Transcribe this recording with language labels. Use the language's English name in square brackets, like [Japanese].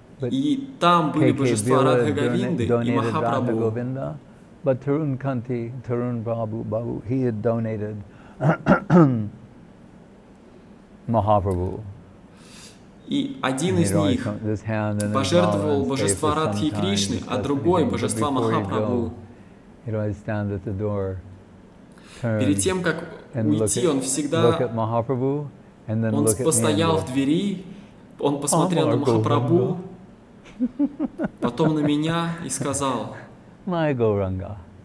[Russian] И там были божества Радха Говинды и Махапрабху. [English] But Tarun Kanti, Tarun Prabhu, he had donated Mahaprabhu. [Russian] И один из них пожертвовал божества Радхи и Кришны, а другой божества Махапрабху. Перед тем, как уйти, он всегда он постоял в двери, он посмотрел на Махапрабху, потом на меня и сказал: «О, мой Гауранга!»